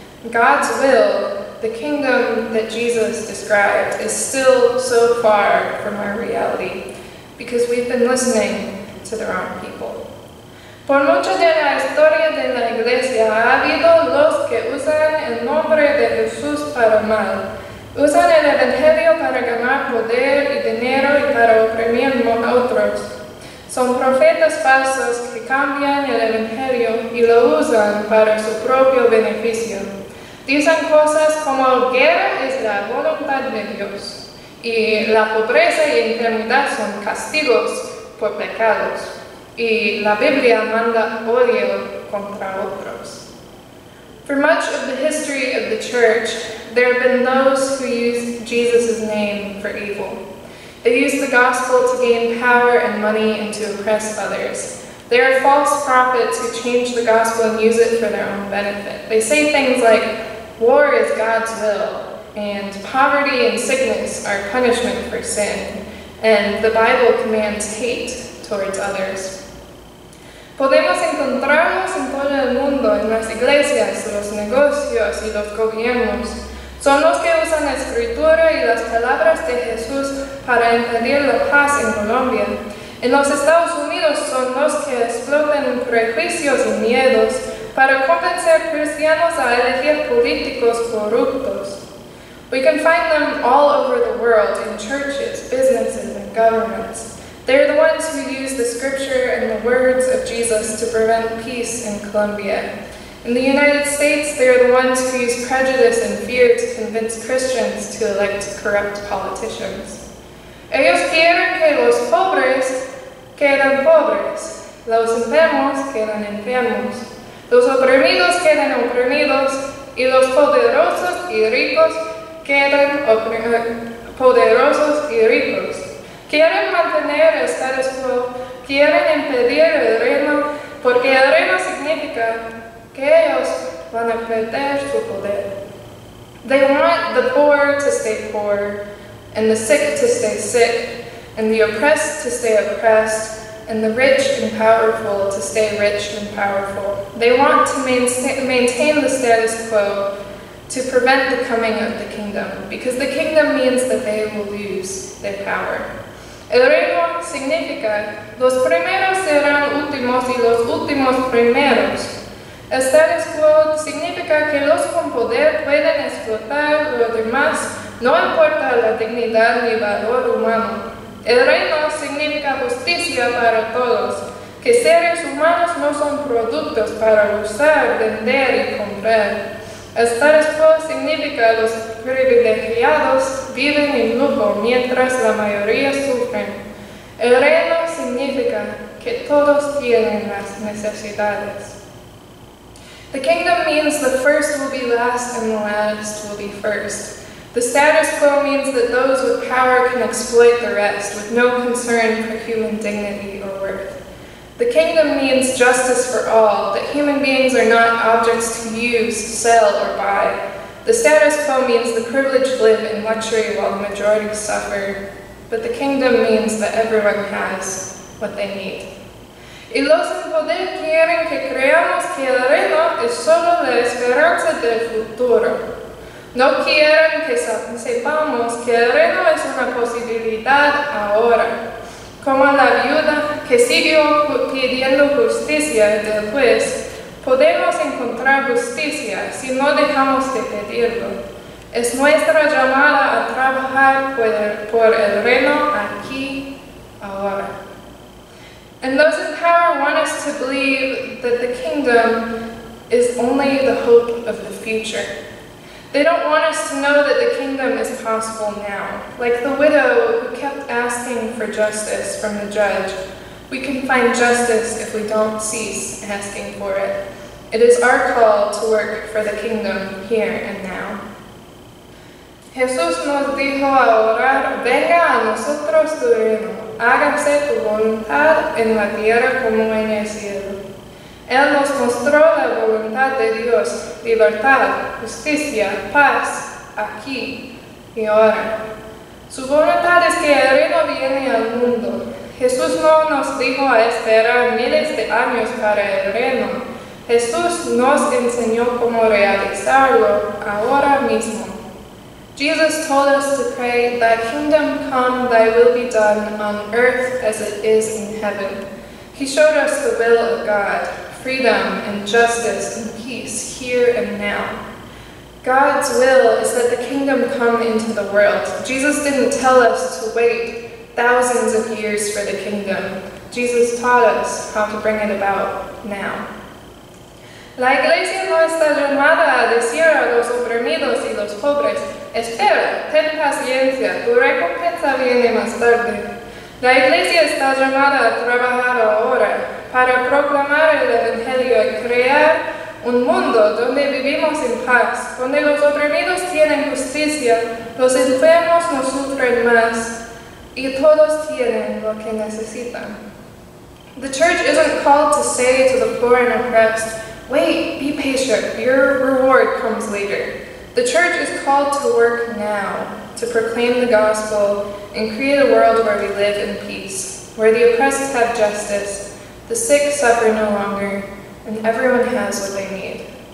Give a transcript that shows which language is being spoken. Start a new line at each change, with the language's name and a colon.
English: God's will, the kingdom that Jesus described, is still so far from our reality because we've been listening to the wrong people.
Spanish: Por mucho de la historia de la iglesia ha habido los que usan el nombre de Jesús para mal. Usan el evangelio para ganar poder y dinero y para oprimir a otros. Son profetas falsos que cambian el evangelio y lo usan para su propio beneficio. Dicen cosas como guerra es la voluntad de Dios y la pobreza y enfermedad son castigos por pecados. Y la Biblia manda odio contra otros.
English: For much of the history of the church, there have been those who used Jesus' name for evil. They used the gospel to gain power and money and to oppress others. There are false prophets who change the gospel and use it for their own benefit. They say things like, war is God's will, and poverty and sickness are punishment for sin, and the Bible commands hate towards others.
Spanish: Podemos encontrarnos en todo el mundo, en las iglesias, los negocios y los gobiernos. Son los que usan la escritura y las palabras de Jesús para impedir la paz en Colombia. En los Estados Unidos son los que explotan prejuicios y miedos para convencer cristianos a elegir políticos corruptos.
English: We can find them all over the world, in churches, businesses, and governments. They're the ones who use the scripture and the words of Jesus to prevent peace in Colombia. In the United States, they're the ones who use prejudice and fear to convince Christians to elect corrupt politicians.
Spanish: Ellos quieren que los pobres queden pobres, los enfermos queden enfermos, los oprimidos queden oprimidos, y los poderosos y ricos queden poderosos y ricos. Quieren mantener el status quo, quieren impedir el reino, porque el reino significa que ellos van a perder su poder.
English: They want the poor to stay poor, and the sick to stay sick, and the oppressed to stay oppressed, and the rich and powerful to stay rich and powerful. They want to maintain the status quo to prevent the coming of the kingdom, because the kingdom means that they will lose their power.
Spanish: El reino significa los primeros serán últimos y los últimos primeros. El status quo significa que los con poder pueden explotar los demás, no importa la dignidad ni valor humano. El reino significa justicia para todos, que seres humanos no son productos para usar, vender y comprar. El status quo significa los privilegiados viven en lujo mientras la mayoría sufren. El reino significa que todos tienen las necesidades.
English: The kingdom means the first will be last and the last will be first. The status quo means that those with power can exploit the rest with no concern for human dignity or worth. The kingdom means justice for all, that human beings are not objects to use, sell, or buy. The status quo means the privileged live in luxury while the majority suffer. But the kingdom means that everyone has what they need.
Spanish: Y los en poder quieren que creamos que el reino es solo la esperanza del futuro. No quieren que sepamos que el reino es una posibilidad ahora. Como la viuda que siguió pidiendo justicia del juez, podemos encontrar justicia si no dejamos de pedirlo. Es nuestra llamada a trabajar por el reino aquí, ahora.
English: And those in power want us to believe that the kingdom is only the hope of the future. They don't want us to know that the kingdom is possible now. Like the widow who kept asking for justice from the judge, we can find justice if we don't cease asking for it. It is our call to work for the kingdom here and now.
Spanish: Jesús nos dijo a orar, venga a nosotros tu reino, hágase tu voluntad en la tierra como en el cielo. Él nos mostró la voluntad de Dios, libertad, justicia, paz, aquí y ahora. Su voluntad es que el reino viene al mundo. Jesús no nos dijo a esperar miles de años para el reino. Jesús nos enseñó cómo realizarlo ahora mismo.
English: Jesus told us to pray, "Thy kingdom come, thy will be done on earth as it is in heaven." He showed us the will of God, freedom and justice and peace here and now. God's will is that the kingdom come into the world. Jesus didn't tell us to wait thousands of years for the kingdom. Jesus taught us how to bring it about now.
Spanish: La iglesia no está llamada a decir a los oprimidos y los pobres, espera, ten paciencia, tu recompensa viene más tarde. La iglesia está llamada a trabajar ahora para proclamar el evangelio y crear un mundo donde vivimos en paz, donde los oprimidos tienen justicia, los enfermos no sufren más, y todos tienen lo que necesitan.
English: The church isn't called to say to the poor and oppressed, wait, be patient, your reward comes later. The church is called to work now, to proclaim the gospel and create a world where we live in peace, where the oppressed have justice, the sick suffer no longer, and everyone has what they need.